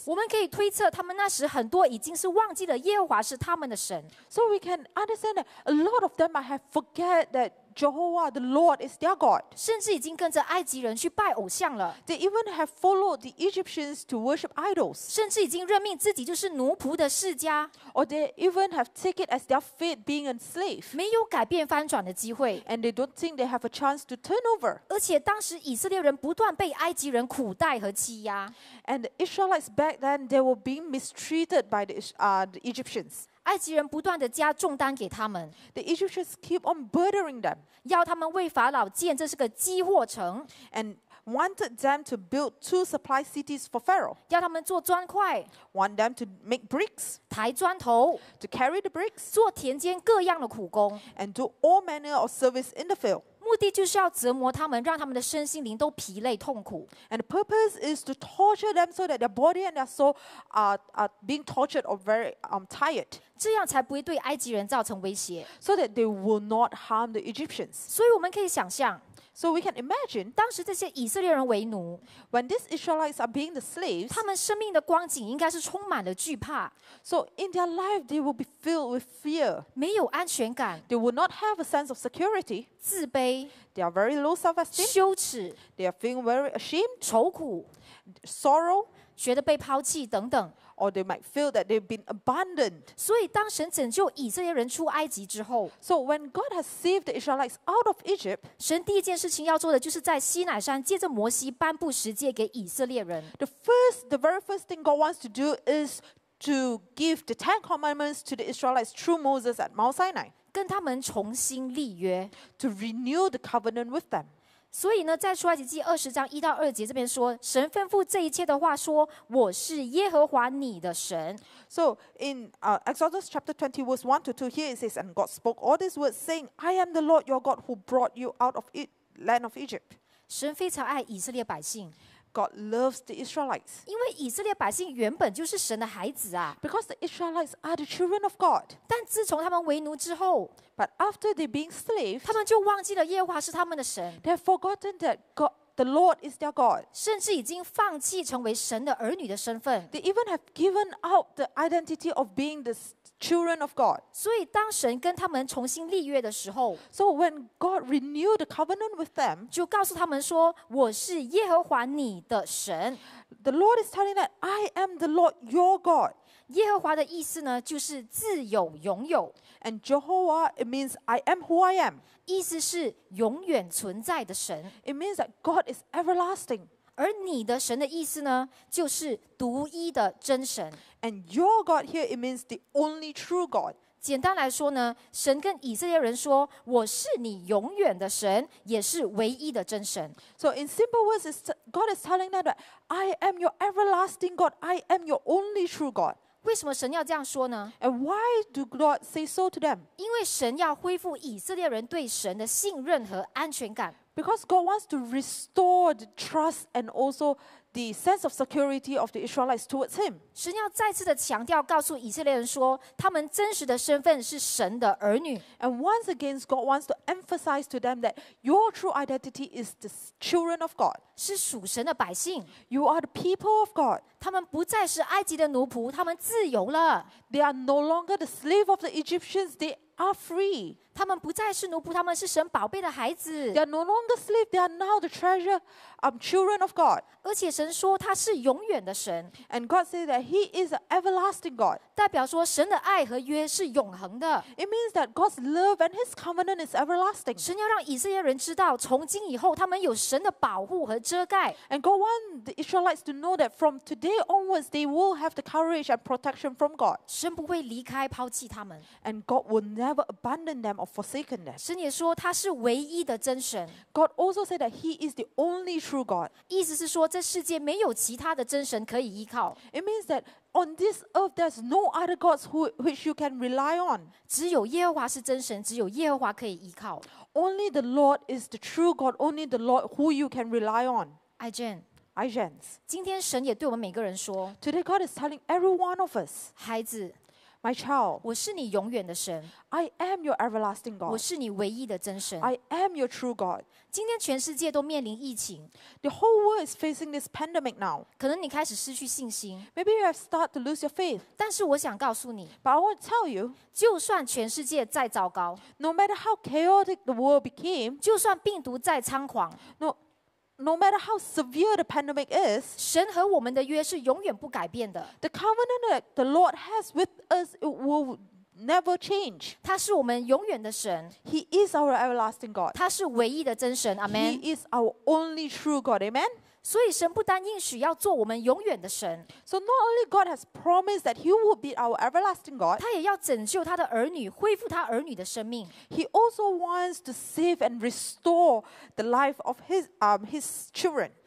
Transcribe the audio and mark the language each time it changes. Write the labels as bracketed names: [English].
[Chinese] 我们可以推测，他们那时很多已经是忘记了耶和华是他们的神。 [English] So we can understand that a lot of them might have forget that. Jehovah, the Lord is their God. [Chinese] 甚至已经跟着埃及人去拜偶像了。 [English] They even have followed the Egyptians to worship idols. [Chinese] 甚至已经任命自己就是奴仆的世家。 [English] Or they even have taken as their fate being a slave. [Chinese] 没有改变翻转的机会。 [English] And they don't think they have a chance to turn over. [Chinese] 而且当时以色列人不断被埃及人苦待和欺压。 [English] And the Israelites back then, they were being mistreated by the Egyptians. [Chinese] 埃及人不断地加重担给他们 [English] The Egyptians keep on burdening them. [Chinese] 要他们为法老建这是个积货城 [English] And wanted them to build two supply cities for Pharaoh. [Chinese] 要他们做砖块 [English] Want them to make bricks. [Chinese] 抬砖头 [English] To carry the bricks. [Chinese] 做田间各样的苦工 [English] And do all manner of service in the field. [Chinese] 目的就是要折磨他们，让他们的身心灵都疲累痛苦。 [English] And the purpose is to torture them so that their body and their soul are being tortured or very tired. [Chinese] 这样才不会对埃及人造成威胁。 [English] So that they will not harm the Egyptians. [Chinese] 所以我们可以想象。 [English] So we can imagine, [Chinese] 当时这些以色列人为奴 [English] when these Israelites are being the slaves, [Chinese] 他们生命的光景应该是充满了惧怕 [English] So in their life, they will be filled with fear, [Chinese] 没有安全感 [English] they will not have a sense of security, [Chinese] 自卑 [English] they are very low self-esteem, [Chinese] 羞耻 [English] they are feeling very ashamed, [Chinese] 愁苦 [English] sorrow, [Chinese] 觉得被抛弃等等 [English] or they might feel that they've been abandoned. [Chinese] 所以当神拯救以色列人出埃及之后 [English] So when God has saved the Israelites out of Egypt, [Chinese] 神第一件事情要做的就是在西乃山借着摩西颁布十诫给以色列人 [English] The very first thing God wants to do is to give the Ten Commandments to the Israelites through Moses at Mount Sinai. [Chinese] 跟他们重新立约 [English] To renew the covenant with them. [Chinese] 所以呢，在出埃及记二十章一到二节这边说，神吩咐这一切的话说，我是耶和华你的神。 [English] So in Exodus chapter 20 verse 1 to 2, here it says, and God spoke all these words, saying, I am the Lord your God who brought you out of the land of Egypt. [Chinese] 神非常爱以色列百姓。 [English] God loves the Israelites. [Chinese] 因为以色列百姓原本就是神的孩子啊。 [English] Because the Israelites are the children of God. [Chinese] 但自从他们为奴之后 [English] But after they being slaves, [Chinese] 他们就忘记了耶和华是他们的神。 [English] They've forgotten that God, the Lord is their God. [Chinese] 甚至已经放弃成为神的儿女的身份。 [English] They even have given up the identity of being the children of God. [Chinese] 所以当神跟他们重新立约的时候 [English] So when God renewed the covenant with them, [Chinese] 就告诉他们说我是耶和华你的神 [English] The Lord is telling that I am the Lord your God. [Chinese] 耶和华的意思呢就是自有拥有 [English] And Jehovah, it means I am who I am. [Chinese] 意思是永远存在的神 [English] It means that God is everlasting. [Chinese] 而你的神的意思呢，就是独一的真神。 [English] And your God here, it means the only true God. [Chinese] 简单来说呢，神跟以色列人说，我是你永远的神，也是唯一的真神。 [English] So in simple words, God is telling them that I am your everlasting God, I am your only true God. [Chinese] 为什么神要这样说呢 [English] ？And why do God say so to them? [Chinese] 因为神要恢复以色列人对神的信任和安全感。 [English] Because God wants to restore the trust and also the sense of security of the Israelites towards Him. [Chinese] 神要再次的强调，告诉以色列人说，他们真实的身份是神的儿女。 [English] And once again, God wants to emphasize to them that your true identity is the children of God. [Chinese] 是属神的百姓。 [English] You are the people of God. [Chinese] 他们不再是埃及的奴仆，他们自由了。 [English] They are no longer the slave of the Egyptians. They are free. [Chinese] 他们不再是奴仆，他们是神宝贝的孩子。 [English] They are no longer slave. They are now the treasure, children of God. [Chinese] 而且神说他是永远的神。 [English] And God said that He is an everlasting God. [Chinese] 代表说神的爱和约是永恒的。 [English] It means that God's love and His covenant is everlasting. [Chinese] 神要让以色列人知道，从今以后他们有神的保护和遮盖。 [English] And God wants the Israelites to know that from todayThey onwards, they will have the courage and protection from God. [Chinese] 神不会离开抛弃他们。 [English] And God will never abandon them or forsaken them. [Chinese] 神也说他是唯一的真神。 [English] God also said that He is the only true God. [Chinese] 意思是说这世界没有其他的真神可以依靠。 [English] It means that on this earth, there's no other gods which you can rely on. [Chinese] 只有耶和华是真神，只有耶和华可以依靠。 [English] Only the Lord is the true God. Only the Lord who you can rely on. Today, God is telling every one of us, [Chinese] 孩子， [English] My child, [Chinese] 我是你永远的神。 [English] I am your everlasting God. [Chinese] 我是你唯一的真神。 [English] I am your true God. [Chinese] 今天全世界都面临疫情。 [English] The whole world is facing this pandemic now. [Chinese] 可能你开始失去信心。 [English] Maybe you have started to lose your faith. [Chinese] 但是我想告诉你。 [English] But I want to tell you. [Chinese] 就算全世界再糟糕。 [English] No matter how chaotic the world became. [Chinese] 就算病毒再猖狂。 [English] No matter how severe the pandemic is, [Chinese] 神和我们的约是永远不改变的。 [English] The covenant that the Lord has with us will never change. [Chinese] 他是我们永远的神。 [English] He is our everlasting God. [Chinese] 他是唯一的真神。Amen. [English] He is our only true God. Amen. [Chinese] 所以神不单应许要做我们永远的神。 [English] So not only God has promised that He will be our everlasting God. [Chinese] 他也要拯救他的儿女，恢复他儿女的生命。 [English] He also wants to save and restore the life of His children.